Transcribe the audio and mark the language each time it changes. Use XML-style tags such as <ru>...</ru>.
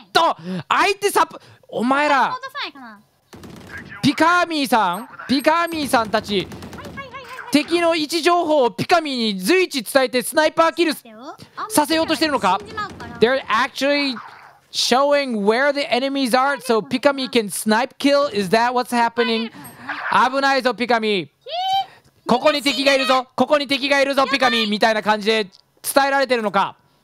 <ja>と、相手サポ、お前ら、ピカミーさん、ピカミーさんたち、敵の位置情報をピカミーに随一伝えてスナイパーキルさせようとしてるのか。</ja> <en>They're actually... Showing where the enemies are so Pikamee can snipe kill. Is that what's happening?</en> <ja>危ないぞ、ピカミー。ここに敵がいるぞ、ここに敵がいるぞ、ピカミーみたいな感じで伝えられてるのか。</ja>